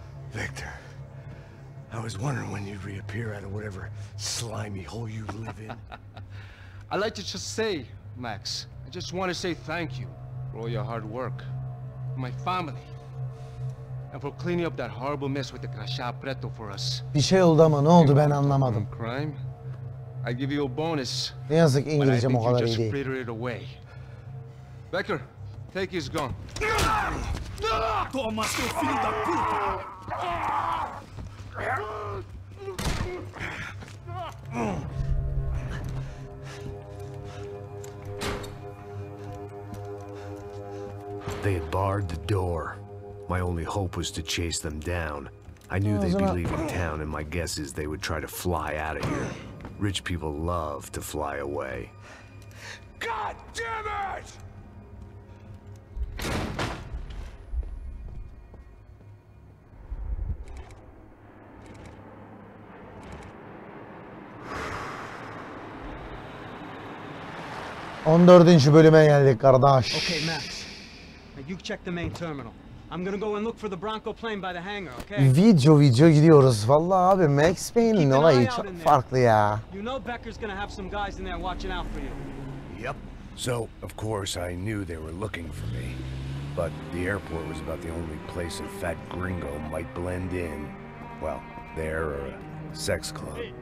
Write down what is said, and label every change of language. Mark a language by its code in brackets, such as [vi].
[en] Victor, I was wondering when you'd reappear out of whatever slimy hole you live in. I'd like to just say, Max, I just want to say thank you for all your hard work, for my family, and for cleaning up that horrible mess with the crachá preto for us. [tr] Bir şey oldu ama ne oldu ben anlamadım. [en] Crime? I'd give you a bonus. [tr] Ne yazık İngilizcem o kadar iyi değil. [en] But I think you just frittered it away. Becker, take his gun. [pt] Toma seu filho da puta! [en] They had barred the door. My only hope was to chase them down. I knew they'd be leaving town, and my guess is they would try to fly out of here. Rich people love to fly away. God damn it! Okay, Max. Now you check the main terminal. I'm gonna go and look for the Bronco plane by the hangar, okay? [tr] Video gidiyoruz. Vallahi abi Max Payne'in olayı çok farklı ya. [en] You know Becker's gonna have some guys in there watching out for you. Yep. So, of course, I knew they were looking for me. But the airport was about the only place a fat gringo might blend in. Well, there or a sex club.